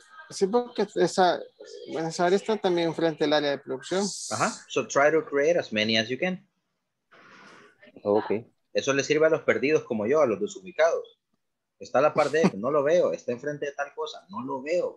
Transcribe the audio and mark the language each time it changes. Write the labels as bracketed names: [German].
[Spanish] Sí, porque esa área está también frente al área de producción. Ajá. [English] So try to create as many as you can. Okay. [Spanish] Eso le sirve a los perdidos como yo, a los desubicados. Está a la par de él, no lo veo. Está enfrente de tal cosa, no lo veo.